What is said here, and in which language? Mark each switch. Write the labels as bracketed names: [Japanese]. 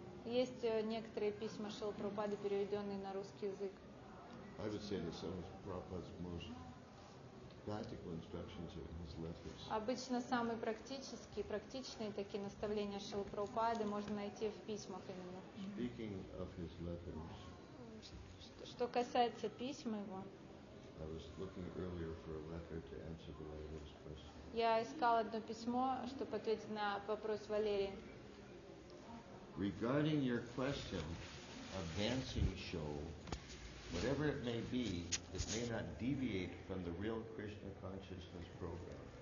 [Russian] Есть некоторые письма Шрилы Прабхупады, переведенные на русский язык. [English] I would say that some of Prabhupada's most practical instructions are in his letters. [Russian] Обычно самые практические, практичные такие наставления Шрилы Прабхупады можно найти в письмах именно. [English] Speaking of his letters. [Russian] Что касается письма его. [English] I was looking earlier for a letter to answer the lady's question. [Russian] Я искал одно письмо, чтобы ответить на вопрос Валерии. [English] Regarding your question of dancing show, whatever it may be, it may not deviate from the real Krishna consciousness program.